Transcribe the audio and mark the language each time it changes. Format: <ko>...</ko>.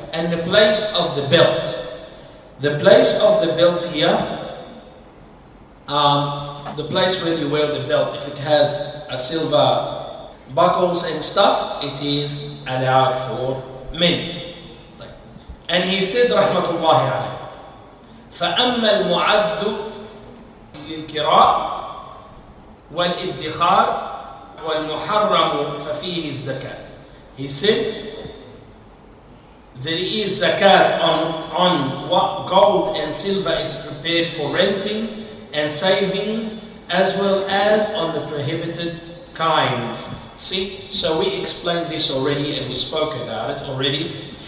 <en>And the place of the belt. The place of the belt here, the place where you wear the belt, if it has a silver buckles and stuff, it is allowed for men. And he said,</en> <ar>Rahmatullahi alayhi, فَأَمَّا الْمُعَدُّ لِلْكِرَاءِ وَالْإِدِّخَارِ وَالْمُحَرَّمُ فَفِيهِ الزَّكَاةِ.</ar> <en>He said, there is zakat on what gold and silver is prepared for renting and savings, as well as on the prohibited kinds. See, so we explained this already and we spoke about it already.</en>